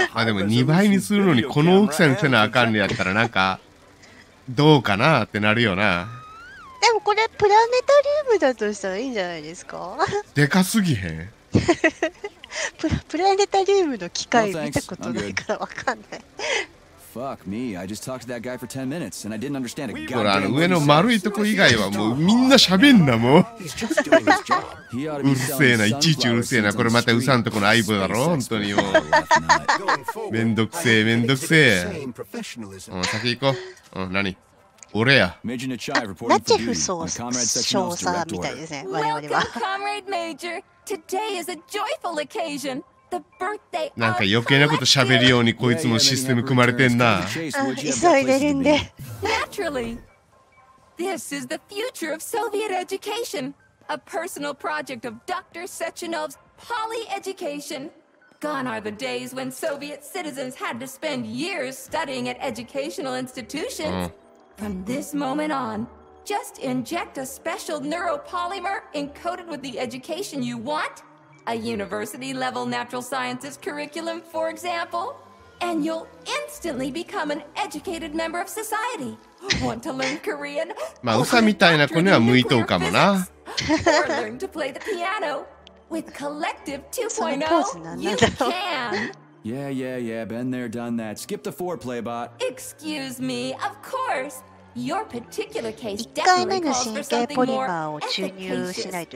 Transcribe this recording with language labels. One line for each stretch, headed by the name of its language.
Japanese: あ、でも2倍にするのにこの大きさにせなあかんのやったら、なんかどうかなってなるよな。でもこれプラネタリウムだとしたらいいんじゃないですか。でかすぎへん。プラネタリウムの機械見たことないからわかんない。
English: Fuck me. I just talked to that guy for 10 minutes and I didn't understand a goddamn word.
Japanese: ほら、あの上の丸いとこ以外はもうみんな喋んな、もう。うるせえな、いちいちうるせえな。これまたウサんとこの相棒だろ、本当にもう。めんどくせえ、めんどくせえ。先行こう。何？俺や。ナチェフ総少佐みたいですね、我々は。
English: Welcome, Comrade Major. Today is a joyful occasion.
Japanese: なんか余計なこと喋るようにこいつもシステム組まれてんな。急いでるんで。
English: Naturally, this is the future of Soviet education, a personal project of Dr. Sechenov's poly education. Gone are the days when Soviet citizens had to spend years studying at educational institutions. From this moment on, just inject a special neuropolymer encoded with the education you want. A university level natural sciences curriculum, for example, and you'll instantly become an educated member of society. Want to learn Korean?
Japanese: まあ、ウサみたいな子には向いとうかもな。
English: Or learn to play the piano with Collective 2.0. Yeah, been there, done that. Skip the foreplay, bot. Excuse me, of course. Your particular case definitely calls for something more efficacious.